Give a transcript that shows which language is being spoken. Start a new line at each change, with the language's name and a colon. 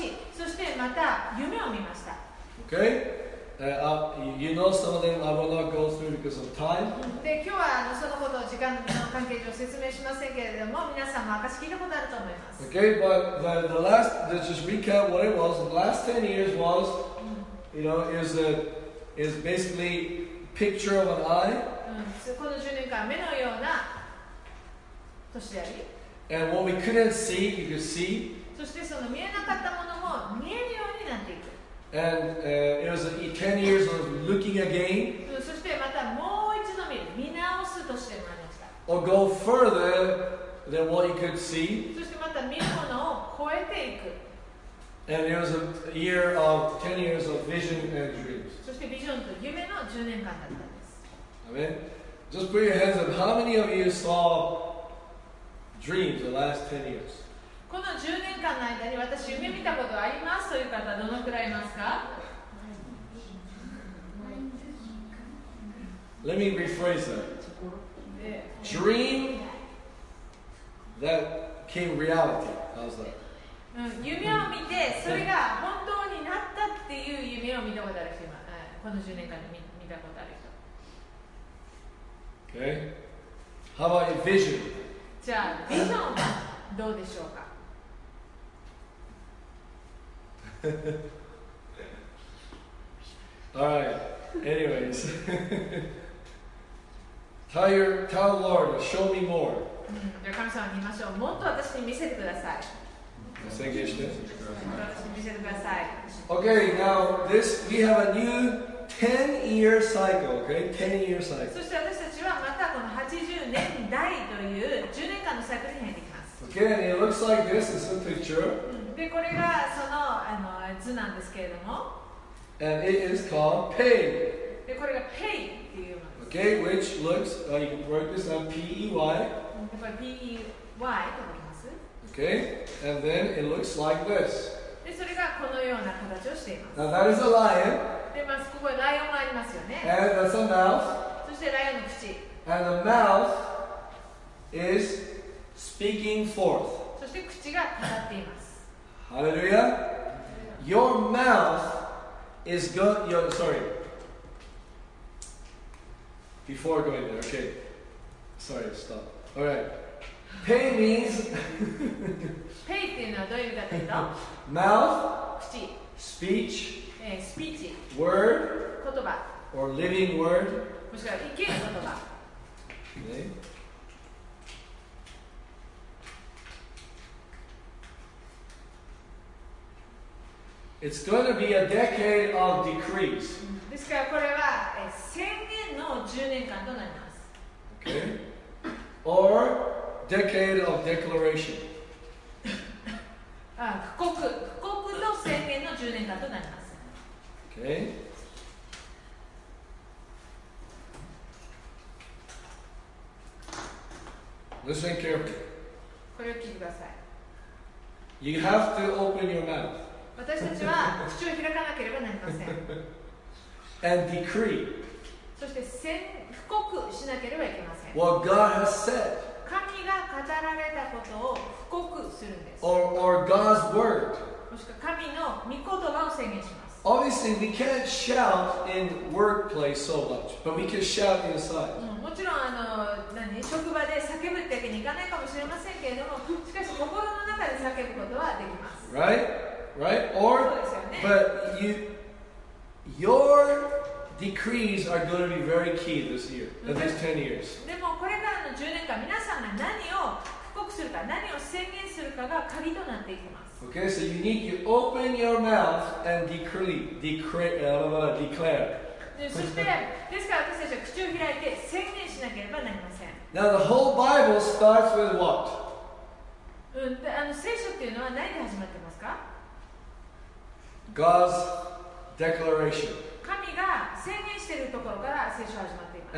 English: Okay? you know some of them I will not go through because of time.
Japanese: で、今日はそのことを時間の関係上説明しませんけれども、皆さんも証聞いたことあると思います。
English: Okay, but the last, let's just recap what it was. The last 10 years was, you know, is basically picture of an eye.
Japanese: この10年間、目のような年であり。
English: And what we couldn't see, you could see.
Japanese: そしてその見えなかったものも見えるようになっていく。
English: And it was 10 years of looking again.
Japanese: そしてまたもう一度見直す年でもありました。
English: Or go further than what you could see.
Japanese: そしてまた見るものを超えていく。
English: And it was a year of 10 years of vision and dreams.
Japanese: そしてビジョンと夢の10年間だったんです。
English: Amen. Just put your hands up. How many of you saw dreams the last 10 years?
Japanese: この10年間の間に私夢見たことありますという方はどのくらいいますか
English: Let me rephrase that. Dream that came reality. How's that?
Japanese: 夢を見てそれが本当になったっていう夢を見たことある人、この10年間で見たことある人。
English: Okay. How about vision?
Japanese: じゃあビジョンはどうでしょうか
English: All right, anyways. Tell Lord, show me more. Okay, now this, we have a new 10 year cycle, okay? 10 year cycle.
Japanese: そして私たちはまたこの80年代という10年間のサイクルに入っていきます。
English: Again, it looks like this is a picture.
Japanese: で、これがその、あの、図なんですけれども。
English: And it is called pay.
Japanese: で、これが pay っていうものです。
English: Okay, which looks, you can write this as P-E-Y.
Japanese: やっぱり P-E-Y と書きます。
English: Okay, and then it looks like this.
Japanese: で、それがこのような形をしています。
English: Now that is a lion.
Japanese: で、まあ、ここはライオンがありますよね。
English: And that's a mouth.
Japanese: そしてライオンの口。
English: And the mouth is... Speaking forth.
Japanese: そして口が語っています。
English: ハレルヤ。Your mouth is good. Your, sorry. Before going there, okay. Sorry, stop. All right. Pay means.
Japanese: Pay っていうのはどういう意味かというと。
English: Mouth.
Japanese: 口。
English: Speech. Speech. Word.
Japanese: 言葉。
English: Or living word.
Japanese: もしくは生きる言葉。
English: Okay. It's going to be a decade of decrease.
Japanese: ですからこれは宣言の10年間となります。
English: Okay. Or decade of declaration.
Japanese: あ、不国の宣言の10年間となります。
English: Okay. Listen carefully.
Japanese: これを聞いてください。
English: You have to open your mouth.
Japanese: 私たちは口を開かなければなりません。
English: And decree.
Japanese: そして宣布告しなければいけません。
English: What God has said.
Japanese: 神が語られたことを布告するんです。
English: Or God's word.
Japanese: もしくは神の御言葉を宣言します。
English: Obviously, we can't shout in workplace so much, but we can shout inside.
Japanese: もちろんあの何職場で叫ぶってわけにいかないかもしれませんけれども、しかし心の中で叫ぶことはできます。
English: Right? Right? Or,、
Japanese: ね、
English: but you, your decrees are going to be very key this year, the next 10 years.
Japanese: でもこれからの10年間、皆さんが何を布告するか、何を宣言するかが鍵となっていきます。
English: Okay, so you need to open your mouth and declare.
Japanese: そして、ですから私たちは口を開いて宣言しなければなりません。
English: Now the whole Bible starts with what?、
Japanese: うん、あの聖書っていうのは何で始まってますか?
English: God's declaration.
Japanese: 神が宣言しているところから聖書は始まっています。